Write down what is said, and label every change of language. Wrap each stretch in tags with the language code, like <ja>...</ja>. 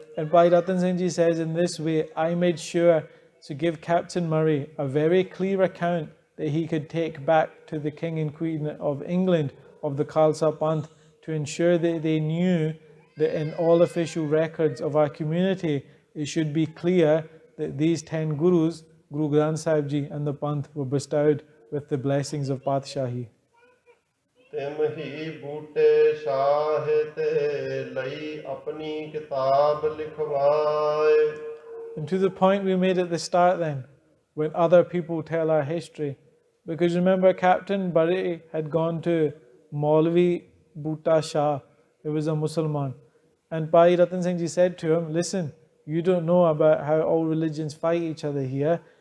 <en>And Bhai Rattan Singh Ji says, in this way, I made sure to give Captain Murray a very clear account that he could take back to the King and Queen of England of the Khalsa Panth to ensure that they knew that in all official records of our community, it should be clear that these 10 gurus, Guru Granth Sahib Ji and the Panth, were bestowed with the blessings of Patshahi.</en> <pa>ਤਿਮ ਹੀ ਬੂਟੇ ਸ਼ਾਹ ਤੇ ਲਈ ਆਪਣੀ ਕਿਤਾਬ ਲਿਖਵਾਏ।</pa> <en>And to the point we made at the start then, when other people tell our history, because remember Captain Bari had gone to Maulvi Buta Shah, he was a Musliman, and Bhai Rattan Singh Ji said to him, listen, you don't know about how all religions fight each other here.</en>